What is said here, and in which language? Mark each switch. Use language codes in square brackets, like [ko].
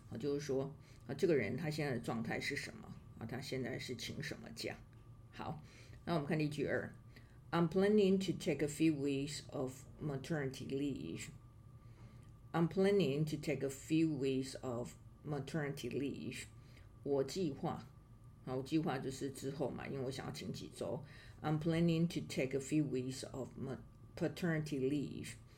[zh] 啊，就是说啊，这个人他现在的状态是什么？啊，他现在是请什么假？好，那我们看例句二。 [en] I'm planning to take a few weeks of maternity leave. I'm planning to take a few weeks of maternity leave. [zh] 我计划，好，我计划就是之后嘛，因为我想要请几周。 [en] I'm planning to take a few weeks of paternity leave.